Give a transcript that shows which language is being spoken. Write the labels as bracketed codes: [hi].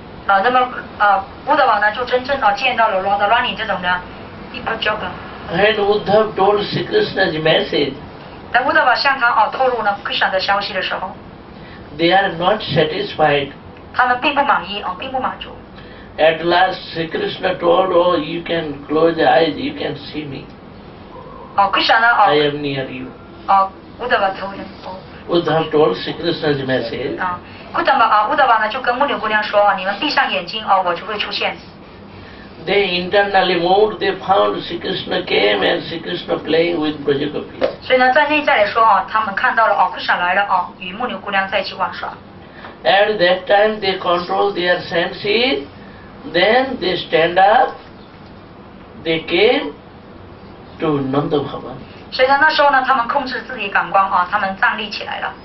[zh] 啊，那么啊，乌达瓦呢就真正啊见到了罗达拉尼这种的 [en] deep joker. And Uddhav told Sri Krishna's message. [zh] 但乌达瓦向他啊透露了 Krishna 的消息的时候 [en] ，They are not satisfied. [zh] 他们并不满意啊，并不满足。 [en] At last, Sri Krishna told, "Oh, you can close your eyes. You can see me." Oh, Krishna, oh. I am near you. Oh, Uddhava told him. Oh. Uddhava told Sri Krishna's message. Oh. [zh] Uddhava, 就跟牧牛姑娘说，你们闭上眼睛，哦，我就会出现。 [en] They internally moved, they found Sri Krishna came and Sri Krishna playing with Brajagopis. [zh] 所以呢，在内在来说，哦，他们看到了，哦，Krishna来了，哦，与牧牛姑娘在一起玩耍。 [en] At that time, they control their senses. Then they stand up. They came to Nanda Bhava. [zh] 所以呢，那时候呢，他们控制自己感官，哦，他们站立起来了。